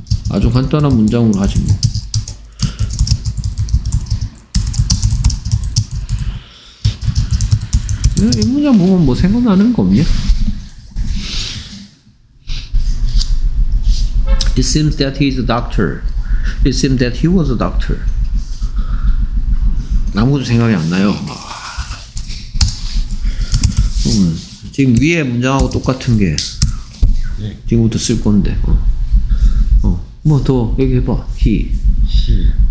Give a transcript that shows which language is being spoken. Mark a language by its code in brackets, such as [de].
[ko] 아주 간단한 문장으로 하지 뭐. 이 문장 보면 뭐 생각나는 거 없냐? [en] It seems that he is a doctor. It seems that he was a doctor. [ko] 아무것도 생각이 안 나요. 지금 위에 문장하고 똑같은 게 지금부터 쓸 건데. 뭐 더 얘기해 봐. He. [en] He.